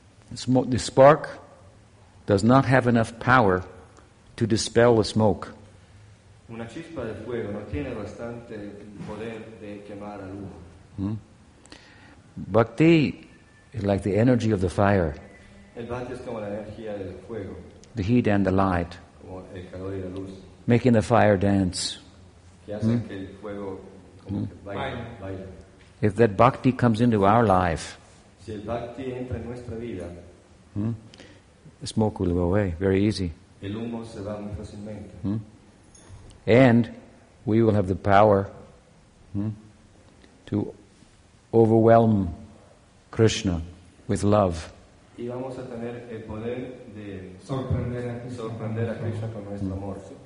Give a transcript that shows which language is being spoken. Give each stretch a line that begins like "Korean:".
English: The spark does not have enough power to dispel the smoke.
Spanish: Una chispa de fuego no tiene bastante poder de quemar al humo.
English: Bhakti is like the energy of the fire.
Spanish: El bhakti es como la energía del fuego.
English: The heat and the light.
Spanish: El calor y la luz.
English: Making the fire dance.
Spanish: Que el fuego baile.
English: If that bhakti comes into our life,
Spanish: si el bhakti entra en nuestra vida,
English: the smoke will go away very easy.
Spanish: El humo se va muy fácilmente.
English: And we will have the power to overwhelm Krishna with love.
Spanish: Y vamos a tener el poder de sorprender a Krishna con nuestro amor.